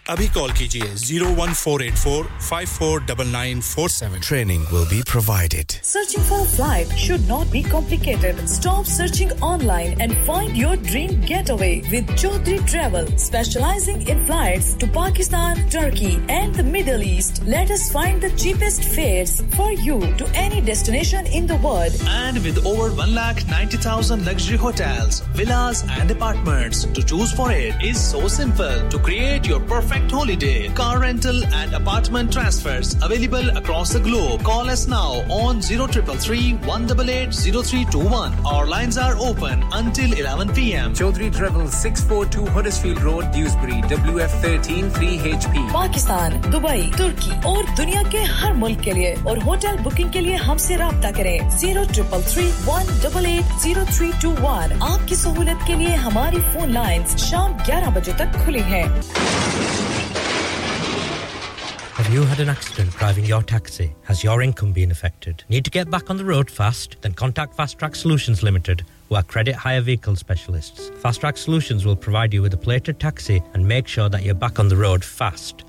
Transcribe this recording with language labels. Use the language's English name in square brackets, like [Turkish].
[Hindi] अभी कॉल कीजिए 01484549947. [English] Training will be provided. Searching for flight should not be complicated. Stop searching online and find your dream getaway with Chaudhary travel, specialising in flights to Pakistan, Turkey and the Middle East. Let us find the cheapest fares for you to any destination in the world. And with over 190,000 luxury hotels, villas and apartments to choose for, it is so simple to create your perfect holiday. Car rental and apartment transfers available across the globe. Call us now on 0333-188-0321. Our lines are open until 11 p.m. Chaudhry Travel, 642 Huddersfield Road, Dewsbury, WF13 3H, [Hindi] Pakistan, Dubai, तुर्की और दुनिया के हर मुल्क के लिए. और hotel booking के लिए हमसे राब्ता करें 0333-188-0321. आपकी सहूलत के लिए हमारी फोन लाइंस शाम 11 बजे तक खुली हैं. [English] Have you had an accident driving your taxi? Has your income been affected? Need to get back on the road fast? Then contact Fast Track Solutions Limited, who are credit hire vehicle specialists. Fast Track Solutions will provide you with a plated taxi and make sure that you're back on the road fast.